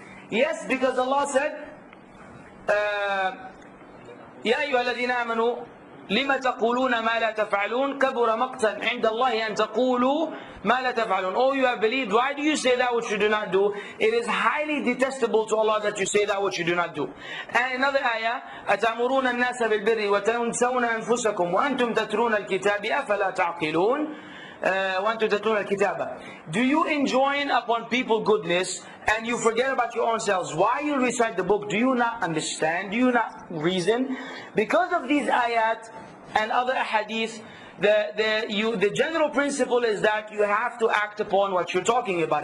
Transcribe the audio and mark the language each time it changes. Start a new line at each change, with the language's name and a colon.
English: Yes, because Allah said,
Arabic: يَا أَيُّهَا الَّذِينَ آمَنُوا لِمَ تَقُولُونَ مَا لَا تَفْعَلُونَ كَبُرَ مَقْتًا عِنْدَ اللَّهِ أَن تَقُولُوا مَا لَا تَفْعَلُونَ.
English: Oh, you have believed. Why do you say that which you do not do? It is highly detestable to Allah that you say that which you do not do. And another ayah,
Arabic: أَتَأْمُرُونَ النَّاسَ بِالْبِرِّ وَتَنْسَوْنَ أَنفُسَكُمْ وَأَنْتُمْ تَتْرُونَ الْكِتَابِ أَفَلَا تَعْقِلُونَ.
English: want to tatur al-kitaba. Do you enjoin upon people goodness and you forget about your own selves? Why you recite the book? Do you not understand? Do you not reason? Because of these ayat and other ahadith, the general principle is that you have to act upon what you're talking about.